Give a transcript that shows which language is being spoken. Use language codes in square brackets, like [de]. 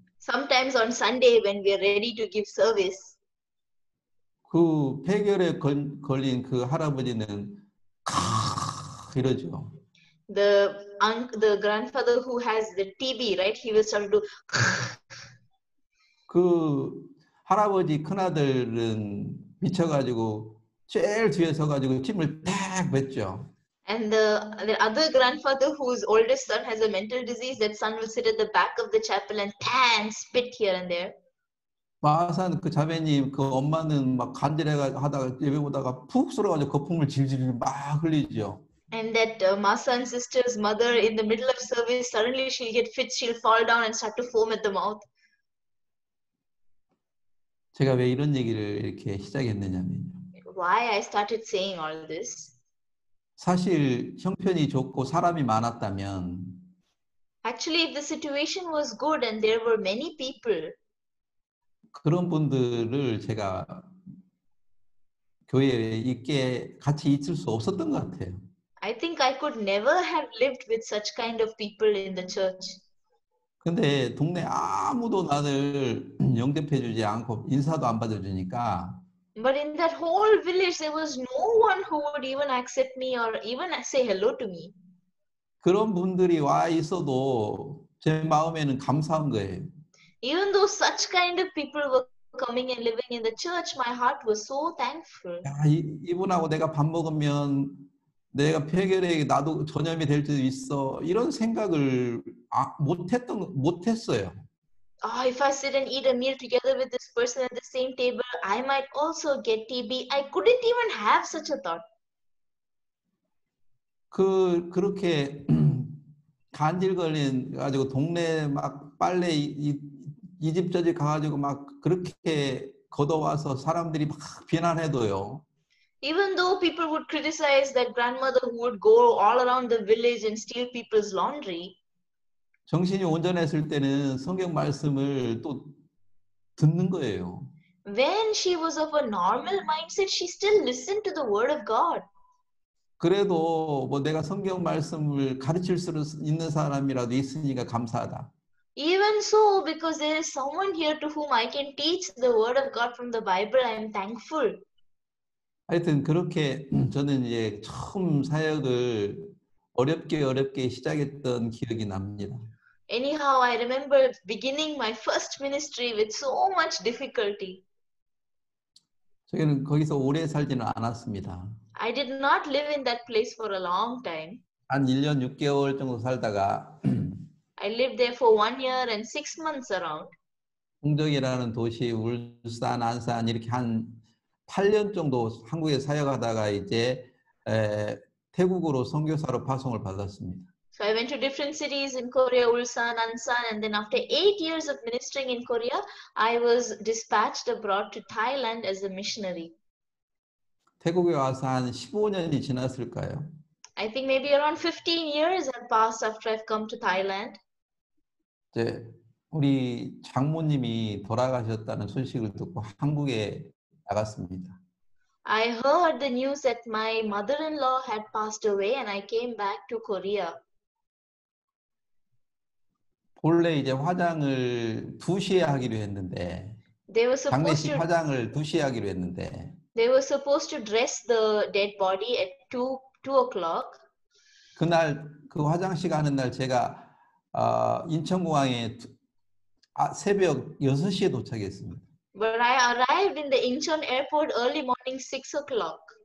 [en] Sometimes on Sunday when we are ready to give service. [ko] 그 폐결에 걸린 그 할아버지는 캬 이러죠. [en] The grandfather who has the TB, right? He will start to. [ko] 그 할아버지 큰아들은 미쳐가지고 제일 뒤에 서가지고 침을 딱 뱉죠. [en] And the other grandfather whose oldest son has a mental disease, that son will sit at the back of the chapel and bang, spit here and there. [ko] 마산 그 자매님 그 엄마는 막 간지러워 하다가 예배 보다가 푹 쓰러가지고 거품을 질질 막 흘리죠. [en] And that Masan sister's mother in the middle of service, suddenly she'll get fits, she'll fall down and start to foam at the mouth. [ko] 제가 왜 이런 얘기를 이렇게 시작했느냐면 [en] Why I started saying all this? [ko] 사실 형편이 좋고 사람이 많았다면 [en] Actually, if the situation was good and there were many people [ko] 그런 분들을 제가 교회에 있게 같이 있을 수 없었던 것 같아요. [en] I think I could never have lived with such kind of people in the church. [ko] 근데 동네 아무도 나를 영접해 주지 않고 인사도 안 받아 주니까 [en] But in that whole village there was no one who would even accept me or even say hello to me. [ko] 그런 분들이 와 있어도 제 마음에는 감사한 거예요. [en] Even though such kind of people were coming and living in the church, my heart was so thankful. [ko] 야, 이분하고 내가 밥 먹으면 내가 폐결에 나도 전염이 될 수도 있어 이런 생각을 못했어요. [en] Oh, if I sit and eat a meal together with this person at the same table, I might also get TB. I couldn't even have such a thought. [ko] 그렇게 간질 걸린 가지고 동네 막 빨래 이 집 저 집 가가지고 막 그렇게 걷어와서 사람들이 막 비난해도요. [en] Even though people would criticize that grandmother who would go all around the village and steal people's laundry. [ko] 정신이 온전했을 때는 성경 말씀을 또 듣는 거예요. [en] When she was of a normal mindset, she still listened to the word of God. [ko] 그래도 뭐 내가 성경 말씀을 가르칠 수 있는 사람이라도 있으니까 감사하다. [en] Even so, because there is someone here to whom I can teach the word of God from the Bible, I am thankful. [ko] 하여튼 그렇게 저는 이제 처음 사역을 어렵게 시작했던 기억이 납니다. [en] Anyhow, I remember beginning my first ministry with so much difficulty. [ko] 저는 거기서 오래 살지는 않았습니다. [en] I did not live in that place for a long time. [ko] 한 1년 6개월 정도 살다가 [en] I lived there for 1 year and 6 months around. [ko] 홍덕이라는 도시 울산, 안산 이렇게 한 8년 정도 한국에 사역하다가 이제 태국으로 선교사로 파송을 받았습니다. [en] So I went to different cities in Korea, Ulsan, Ansan, and then after 8 years of ministering in Korea, I was dispatched abroad to Thailand as a missionary. [ko] 태국에 와서 한 15년이 지났을까요? [en] I think maybe around 15 years have passed after I've come to Thailand. [ko] 이제 우리 장모님이 돌아가셨다는 소식을 듣고 한국에 나갔습니다. [en] I heard the news that my mother-in-law had passed away and I came back to Korea. [ko] 본래 이제 화장을 2시에 하기로 했는데 장례식 화장을 2시에 하기로 했는데 [en] They were supposed to dress the dead body at 2 o'clock. [ko] 그날 그 화장식 하는 날 제가 인천공항에 새벽 6시에 도착했습니다. [en] But I arrived in the Incheon airport early morning 6 o'clock.